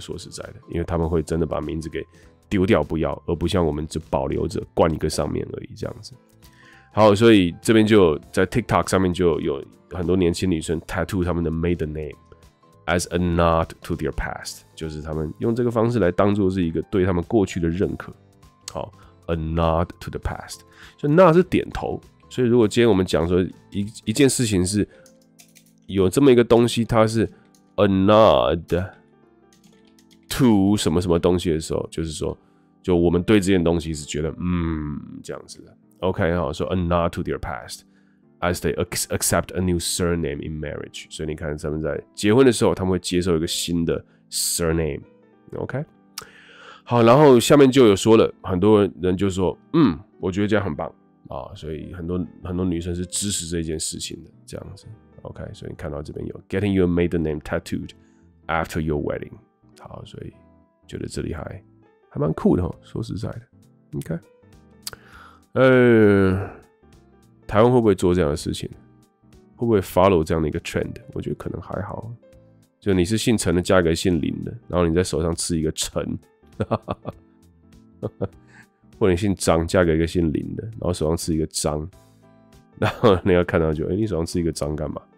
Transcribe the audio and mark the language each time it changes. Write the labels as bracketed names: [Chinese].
[Chinese] 说实在的，因为他们会真的把名字给丢掉不要，而不像我们只保留着冠一个上面而已这样子。好，所以这边就在 TikTok 上面就有很多年轻女生 tattoo 他们的 [English] maiden name as a nod to their past， [Chinese] 就是他们用这个方式来当作是一个对他们过去的认可。好 ， [English] a nod to the past， [Chinese] 所以 nod 是点头。所以如果今天我们讲说一件事情是有这么一个东西，它是 a nod。 to 什么什么东西的时候，就是说，就我们对这件东西是觉得，这样子的。 [English] OK， [Chinese] 好，说 [English] a nod to their past as they accept a new surname in marriage。 [Chinese] 所以你看，他们在结婚的时候，他们会接受一个新的 surname。 OK， 好，然后下面就有说了，很多人就说，我觉得这样很棒啊，所以很多女生是支持这件事情的，这样子。 [English] OK， [Chinese] 所以你看到这边有 [English] getting your maiden name tattooed after your wedding。 [Chinese] 好，所以觉得这里还蛮酷的齁，说实在的 ，OK， 台湾会不会做这样的事情？会不会 follow 这样的一个 trend？ 我觉得可能还好，就你是姓陈的加一个姓林的，然后你在手上刺一个陈，或者你姓张加一个姓林的，然后手上刺一个张，然后你要看到就，哎、欸，你手上刺一个张干嘛？